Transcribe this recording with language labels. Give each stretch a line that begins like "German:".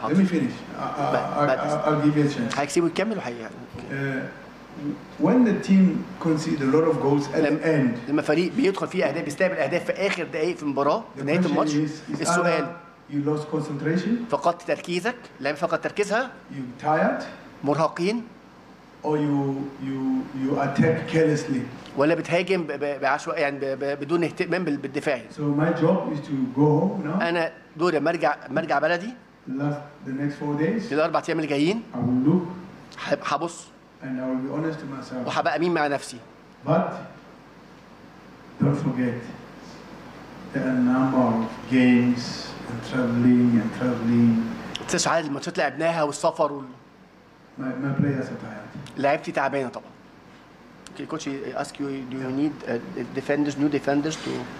English: let me finish I'll give you a chance
Arabic: هيكسبوا يكملوا حقيقه.
English: When the team concede a lot of goals at the end,
Arabic: لما فريق بيدخل فيه اهداف بيستقبل اهداف في اخر دقائق في المباراه في نهايه الماتش السؤال
English: you lost concentration
Arabic: فقدت تركيزك لم فقدت تركيزها
English: you tired
Arabic: مرهقين
English: or you attack carelessly
Arabic: ولا بتهاجم بعشوائي يعني بدون اهتمام بالدفاع.
English: So my job is to go home now.
Arabic: انا دوري مرجع بلدي
English: the next 4 days
Arabic: الاربع ايام اللي جايين
English: I will look
Arabic: هبص
English: and I will be honest to myself
Arabic: وهبقى امين مع نفسي
English: but don't forget there are number of games and traveling
Arabic: تسعه عدد الماتشات لعبناها والسفر
English: my players are tired
Arabic: لعبتي تعبانه طبعا.
English: Okay, coach, I ask you, do you need defenders, new defenders to...